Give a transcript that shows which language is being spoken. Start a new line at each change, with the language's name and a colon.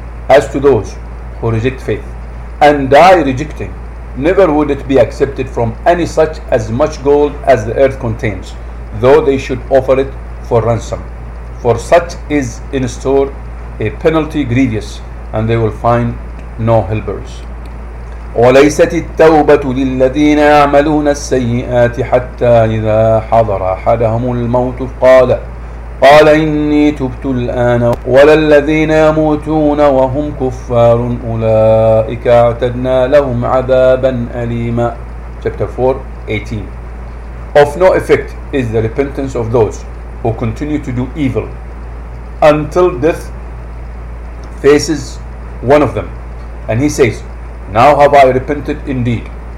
English: As to those who reject faith and die rejecting, never would it be accepted from any such as much gold as the earth contains, though they should offer it for ransom. For such is in store a penalty grievous, and they will find no helpers.
Arabic: وليست التوبة للذين يعملون السيئات حتى إذا حضر أحدهم الموت قال إني تبت الآن ولا الذين يموتون وهم كفار أولئك اعتدنا لهم عذابا أليما.
English: Chapter 4, 18. Of no effect is the repentance of those who continue to do evil until death faces one of them and he says, now have I repented indeed.